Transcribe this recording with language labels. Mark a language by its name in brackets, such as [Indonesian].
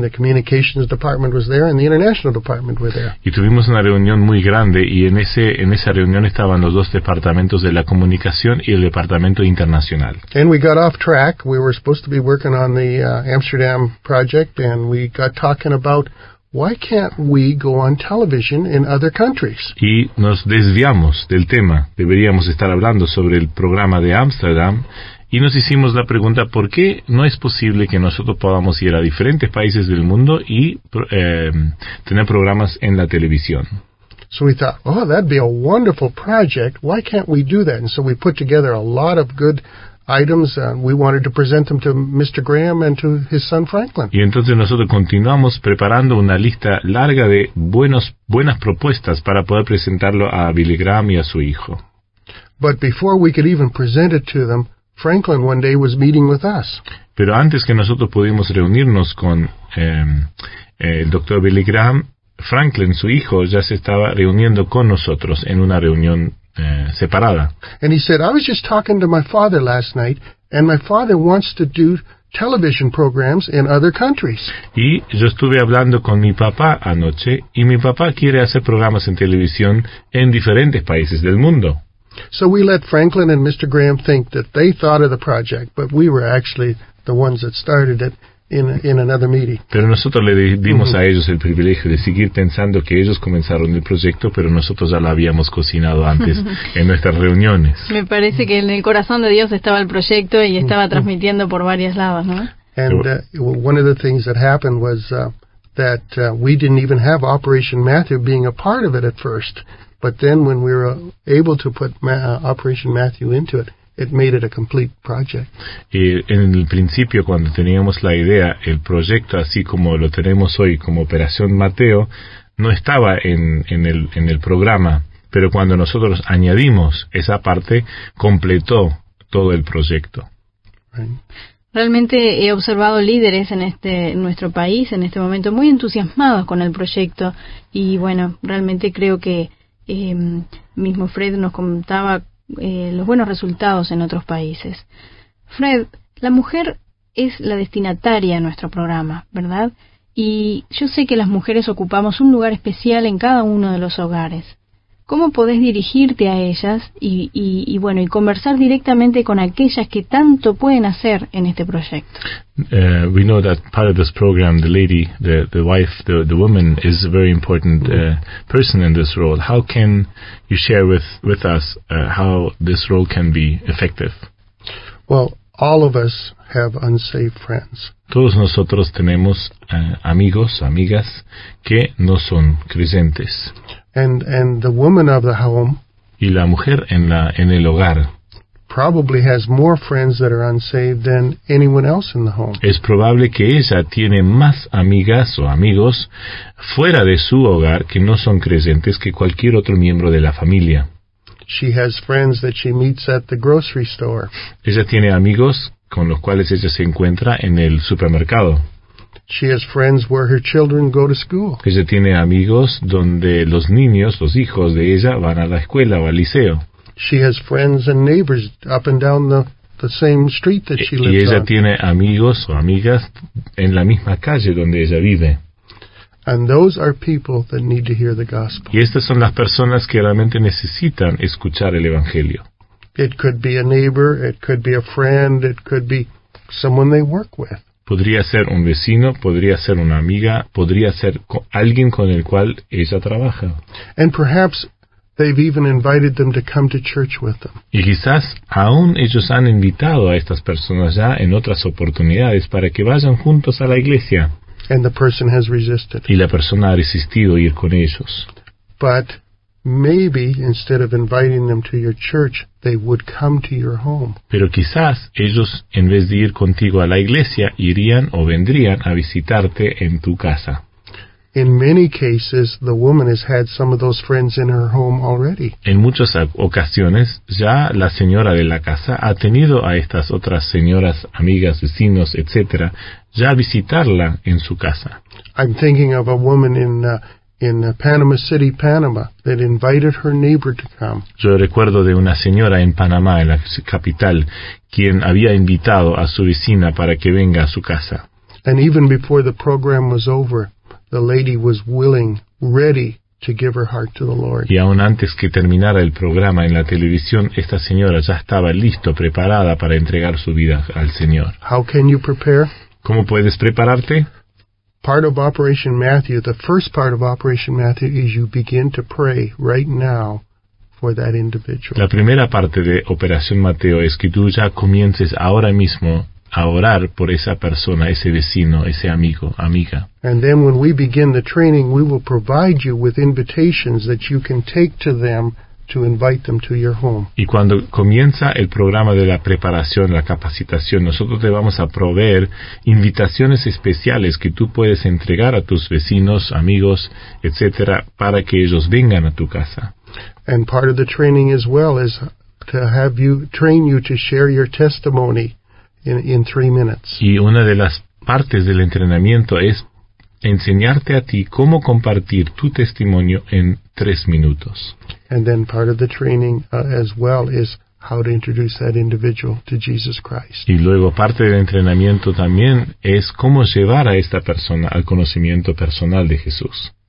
[English] The communications department was there, and the international department were there. [Spanish] Y tuvimos una reunión muy grande, y en esa reunión estaban los dos departamentos de la comunicación y el departamento internacional. [English] And we got off track. We were supposed to be working on the Amsterdam project, and we got talking about, why can't we go on television in other countries? [Spanish] Y nos desviamos del tema. Deberíamos estar hablando sobre el programa de Amsterdam, y nos hicimos la pregunta, ¿por qué no es posible que nosotros podamos ir a diferentes países del mundo y tener programas en la televisión? [English] So we thought, oh, that'd be a wonderful project. Why can't we do that? And so we put together a lot of good items, we wanted to present them to Mr. Graham and to his son Franklin. [Spanish] Y entonces nosotros continuamos preparando una lista larga de buenas propuestas para poder presentarlo a Billy Graham y a su hijo. [English] But before we could even present it to them, Franklin one day was meeting with us. [Spanish] Pero antes que nosotros pudimos reunirnos con el Dr. Billy Graham, Franklin, su hijo, ya se estaba reuniendo con nosotros en una reunión separada. [English] And he said, I was just talking to my father last night, and my father wants to do television programs in other countries. [Spanish] Y yo estuve hablando con mi papá anoche, y mi papá quiere hacer programas en televisión en diferentes países del mundo. [English] So we let Franklin and Mr. Graham think that they thought of the project, but we were actually the ones that started it in another meeting. [Spanish] Pero nosotros le dimos a ellos el privilegio de seguir pensando que ellos comenzaron el proyecto, pero nosotros ya lo habíamos cocinado antes en nuestras reuniones. Me parece que en el corazón de Dios estaba el proyecto y estaba transmitiendo por varios lados, ¿no? [English] And one of the things that happened was that we didn't even have Operation Matthew being a part of it at first. But then when we were able to put Operation Matthew into it, it made it a complete project. [Spanish] Y en el principio, cuando teníamos la idea, el proyecto así como lo tenemos hoy, como Operación Mateo, no estaba en el programa. Pero cuando nosotros añadimos esa parte, completó todo el proyecto. [English] Right. [Spanish] Realmente he observado líderes en nuestro país, en este momento, muy entusiasmados con el proyecto. Y bueno, realmente creo que mismo Fred nos contaba los buenos resultados en otros países. Fred, la mujer es la destinataria de nuestro programa, ¿verdad? Y yo sé que las mujeres ocupamos un lugar especial en cada uno de los hogares. ¿Cómo podés dirigirte a ellas y conversar directamente con aquellas que tanto pueden hacer en este proyecto? [English] We know that part of this program, the lady, the wife, the woman is a very important person in this role. How can you share with us how this role can be effective? Well, all of us have unsafe friends. [Spanish] Todos nosotros tenemos amigos, amigas que no son creyentes. [English] And the woman of the home, [Spanish] y la mujer en el hogar, [English] probably has more friends that are unsaved than anyone else in the home. [Spanish] Es probable que ella tiene más amigas o amigos fuera de su hogar que no son creyentes que cualquier otro miembro de la familia. [English] She has friends that she meets at the grocery store. [Spanish] Ella tiene amigos con los cuales ella se encuentra en el supermercado. [English] She has friends where her children go to school. [Spanish] Ella tiene amigos donde los niños, los hijos de ella, van a la escuela o al liceo. [English] She has friends and neighbors up and down the same street that she lives on. [Spanish] Y ella tiene amigos o amigas en la misma calle donde ella vive. [English] And those are people that need to hear the gospel. [Spanish] Y estas son las personas que realmente necesitan escuchar el evangelio. [English] It could be a neighbor, it could be a friend, it could be someone they work with. [Spanish] Podría ser un vecino, podría ser una amiga, podría ser alguien con el cual ella trabaja. [English] And perhaps they've even invited them to come to church with them. [Spanish] Y quizás aún ellos han invitado a estas personas ya en otras oportunidades para que vayan juntos a la iglesia. [English] And the person has resisted. [Spanish] Y la persona ha resistido ir con ellos. [English] But maybe instead of inviting them to your church, they would come to your home. [Spanish] Pero quizás ellos en vez de ir contigo a la iglesia irían o vendrían a visitarte en tu casa. [English] In many cases, the woman has had some of those friends in her home already. [Spanish] En muchas ocasiones ya la señora de la casa ha tenido a estas otras señoras, amigas, vecinos, etcétera, ya visitarla en su casa. [English] I'm thinking of a woman in Panama City, Panama, that invited her neighbor to come. [Spanish] Yo recuerdo de una señora en Panamá, en la capital, quien había invitado a su vecina para que venga a su casa. [English] And even before the program was over, the lady was willing, ready to give her heart to the Lord. [Spanish] Y aun antes que terminara el programa en la televisión, esta señora ya estaba listo, preparada para entregar su vida al Señor. [English] How can you prepare? [Spanish] ¿Cómo puedes prepararte? [English] Part of Operation Matthew, the first part of Operation Matthew is you begin to pray right now for that individual. [Spanish] La primera parte de Operación Mateo es que tú ya comiences ahora mismo a orar por esa persona, ese vecino, ese amigo, amiga. [English] And then when we begin the training, we will provide you with invitations that you can take to them to invite them to your home. [Spanish] Y cuando comienza el programa de la preparación, la capacitación, nosotros te vamos a proveer invitaciones especiales que tú puedes entregar a tus vecinos, amigos, etcétera, para que ellos vengan a tu casa. [English] And part of the training as well is to have you train you to share your testimony in 3 minutes. [Spanish] Y una de las partes del entrenamiento es enseñarte a ti cómo compartir tu testimonio en 3 minutos. [English] And then part of the training as well is how to introduce that individual to Jesus Christ. [Spanish] Y luego parte del entrenamiento también es cómo llevar a esta persona al conocimiento personal de Jesús.